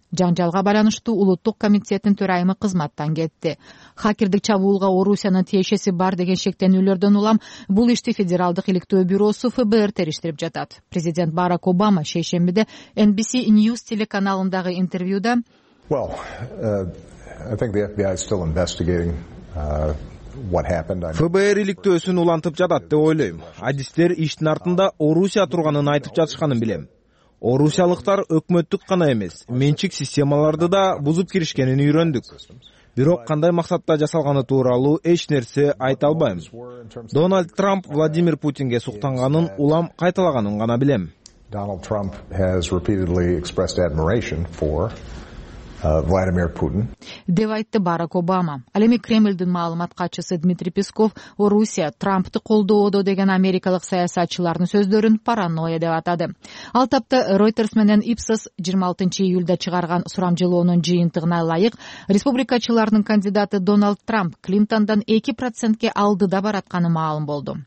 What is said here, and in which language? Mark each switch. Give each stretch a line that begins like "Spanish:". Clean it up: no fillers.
Kyrgyz: Жанжалга байланыштуу улуттук комитеттин төрайымы кызматтан кетти. Хакердик чабуулга Орусиянын тиешеси бар деген шектенүүлөрдөн улам бул ишти Федералдык иликтөө бюросу ФБР териштирип жатат. Президент Барак Обама шейшембиде NBC News телеканалындагы интервьюда
English: I think the FBI is still investigating what happened.
Kyrgyz: ФБР иликтөөсүн улантып жатат деп ойлойм. Адистер иштин артында Орусия турганын айтып жатышканын билем. Орусиялыктар өкмөттүк гана эмес, менчик системаларды да бузуп киришкенин үйрөндүк. Бирок кандай максатта жасалганы тууралуу эч нерсе айта албайм. Дональд Трамп Владимир Путинге суктанганын улам кайталаганын гана билем.
English: Donald Trump has repeatedly expressed admiration for
Kyrgyz: Владимир Путин. Деп айтты Барак Обама. Ал эми Кремльдин маалымат катчысы Дмитрий Песков Орусия Трампты колдоодо деген америкалык саясатчылардын сөздөрүн паранойя деп атады. Ал тапта Reuters менен Ipsos 26 июлда чыгарган сурамжылоонун жыйынтыгына ылайык, республикачылардын кандидаты Дональд Трамп Клинтондон 2% алдыда баратканы маалым болду.